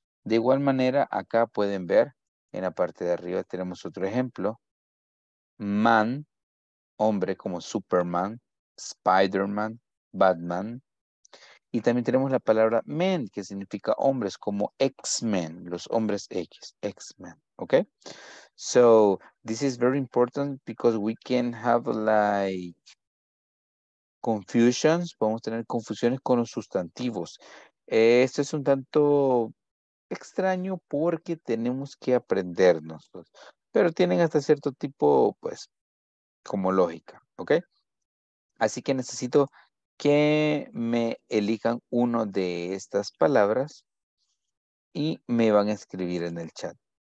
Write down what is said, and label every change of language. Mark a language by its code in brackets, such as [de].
[es] De igual manera, acá pueden ver, en la parte de arriba tenemos otro ejemplo. Man, hombre, como Superman, Spider-Man, Batman. Y también tenemos la palabra men, que significa hombres, como X-Men, los hombres X, X-Men, ¿ok? [en] So, this is very important because we can have like... [es] confusions, podemos tener confusiones con los sustantivos. Esto es un tanto extraño porque tenemos que aprendernos, pero tienen hasta cierto tipo, pues, como lógica, ¿ok? Así que necesito que me elijan uno de estas palabras y me van a escribir en el chat.